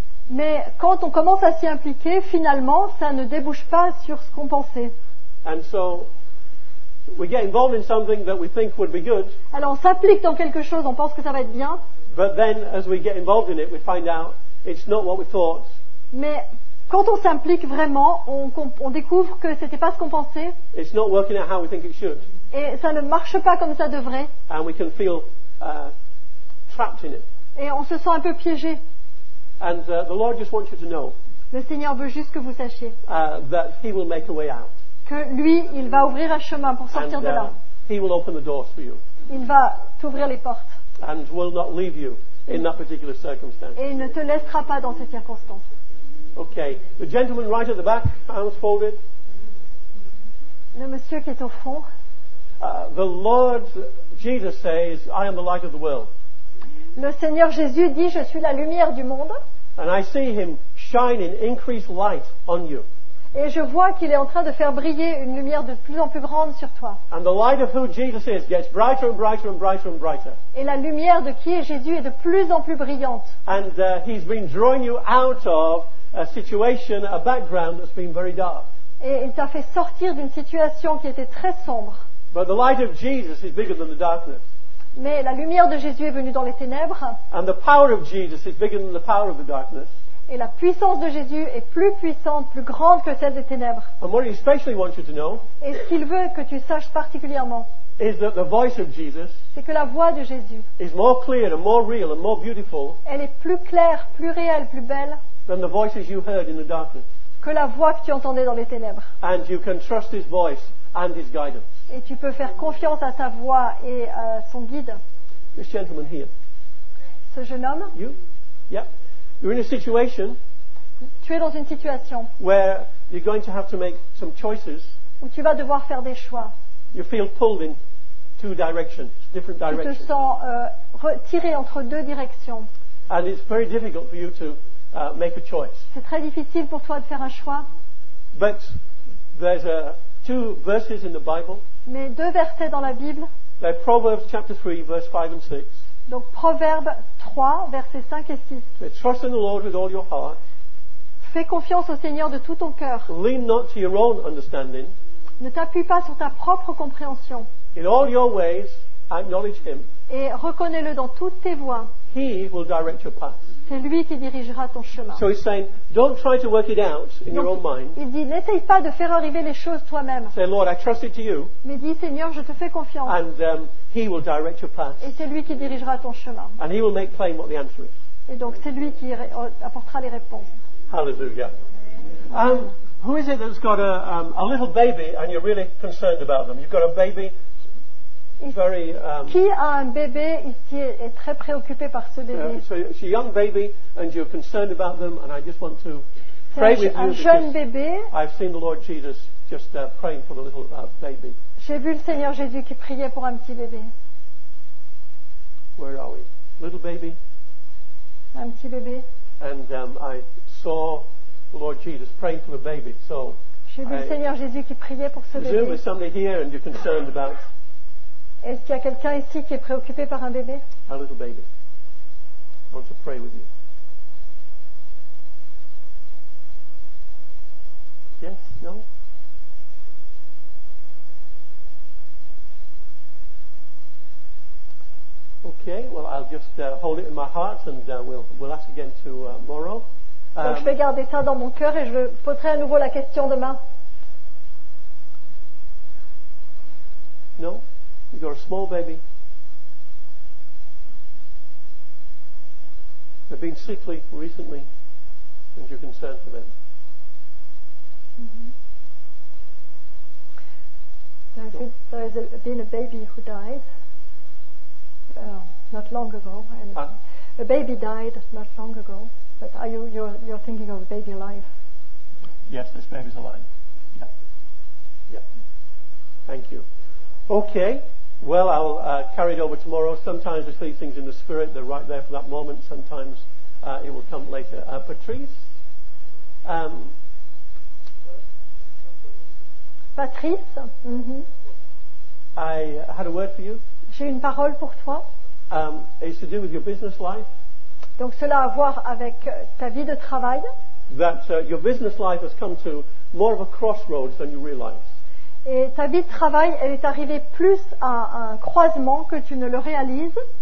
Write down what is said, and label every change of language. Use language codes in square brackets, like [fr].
[fr] Mais quand on commence à s'y impliquer, finalement, ça ne débouche pas sur ce qu'on pensait. [en] And so, we get involved in something that we think would be good. [fr] Alors, on s'implique dans quelque chose, on pense que ça va être bien. [en] But then, as we get involved in it, we find out it's not what we thought. [fr] Mais quand on s'implique vraiment, on découvre que ce n'était pas ce qu'on pensait. [en] It's not working out how we think it should. [fr] Et ça ne marche pas comme ça devrait. [en] And we can feel, trapped in it. [fr] Et on se sent un peu piégé. [en] And, the Lord just wants you to know, [fr] le Seigneur veut juste que vous sachiez [en] that he will make a way out. [fr] Que lui, il va ouvrir un chemin pour sortir de là. [en] He will open the doors for you. [fr] Il va t'ouvrir les portes. [en] And will not leave you in that particular circumstance. [fr] Et il ne te laissera pas dans cette circonstance. [en] Okay. The gentleman right at the back, arms folded. [fr] Le monsieur qui est au fond. [en] The Lord Jesus says, I am the light of the world. [fr] Le Seigneur Jésus dit, je suis la lumière du monde. [en] And I see him shining increased light on you. [fr] Et je vois qu'il est en train de faire briller une lumière de plus en plus grande sur toi. [en] And the light of who Jesus is gets brighter and brighter and brighter and brighter. [fr] Et la lumière de qui est Jésus est de plus en plus brillante. [en] And he's been drawing you out of a situation, a background that's been very dark. [fr] Et il t'a fait sortir d'une situation qui était très sombre. [en] But the light of Jesus is bigger than the darkness. [fr] Mais la lumière de Jésus est venue dans les ténèbres. [en] And the power of Jesus is bigger than the power of the darkness. [fr] Et la puissance de Jésus est plus puissante, plus grande que celle des ténèbres. [en] And what he especially wants you to know, [fr] et ce qu'il veut que tu saches particulièrement, [en] is that the voice of Jesus, [fr] c'est que la voix de Jésus, [en] is more clear and more real and more beautiful, [fr] elle est plus claire, plus réelle, plus belle, [en] than the voices you heard in the darkness. [fr] Que la voix que tu entendais dans les ténèbres. [en] And you can trust his voice and his guidance. [fr] Et tu peux faire confiance à sa voix et à son guide. [en] This gentleman here. [fr] Ce jeune homme. [en] You? Yeah. You're in a situation. [fr] Tu es dans une situation. [en] Where you're going to have to make some choices. [fr] Où tu vas devoir faire des choix. [en] You feel pulled in two directions, different directions. [fr] Tu te sens tiré entre deux directions. [en] And it's very difficult for you to make a choice. [fr] C'est très difficile pour toi de faire un choix. [en] But there's two verses in the Bible. [fr] Mais deux versets dans la Bible. [en] They're Proverbs chapter 3, verse 5 and 6. [fr] Donc Proverbes 3, versets 5 et 6. [en] They trust in the Lord with all your heart. [fr] Fais confiance au Seigneur de tout ton cœur. [en] Lean not to your own understanding. [fr] Ne t'appuie pas sur ta propre compréhension. [en] In all your ways, acknowledge him. [fr] Et reconnais-le dans toutes tes voies. [en] He will direct your path. [fr] C'est lui qui dirigera ton chemin. [en] So he's saying, don't try to work it out in your own mind. [fr] Il dit, n'essaye pas de faire arriver les choses toi-même. [en] Say, Lord, I trust it to you. [fr] Mais dis, Seigneur, je te fais confiance. [en] And he will direct your path. [fr] Et c'est lui qui dirigera ton chemin. [en] And he will make plain what the answer is. [fr] Et donc c'est lui qui apportera les réponses. [en] Hallelujah. Who is it that's got a little baby and you're really concerned about them? You've got a baby. Very, [fr] qui a un bébé ici est très préoccupé par ce bébé. [en] So it's a young baby and you're concerned about them and I just want to pray with you. [fr] Un jeune bébé. [en] I've seen the Lord Jesus just praying for the little baby. [fr] J'ai vu le Seigneur Jésus qui priait pour un petit bébé. [en] Where are we? Little baby. [fr] Un petit bébé. [en] And I saw the Lord Jesus praying for the baby. So [fr] j'ai vu le Seigneur Jésus qui priait pour ce bébé. [en] Presume there's somebody here and you're concerned about. [fr] Est-ce qu'il y a quelqu'un ici qui est préoccupé par un bébé? [en] A little baby. I want to pray with you. Yes? No? OK. Okay, well, I'll just hold it in my heart and we'll ask again tomorrow. [fr] Donc je vais garder ça dans mon cœur et je poserai à nouveau la question demain. [en] No, you got a small baby. They've been sickly recently, and you're concerned for them. Mm-hmm. There has been a baby who died not long ago, and a baby died not long ago. But are you're thinking of the baby alive? Yes, this baby's alive. Yeah. Thank you. Okay. Well, I'll carry it over tomorrow. Sometimes we see things in the spirit; they're right there for that moment. Sometimes it will come later. Patrice. Patrice. Mm-hmm. I had a word for you. [fr] J'ai une parole pour toi. [en] It's to do with your business life. [fr] Donc cela a à voir avec ta vie de travail. [en] That your business life has come to more of a crossroads than you realize. [fr] Et ta vie de travail, elle est arrivée plus à un croisement que tu ne le réalises.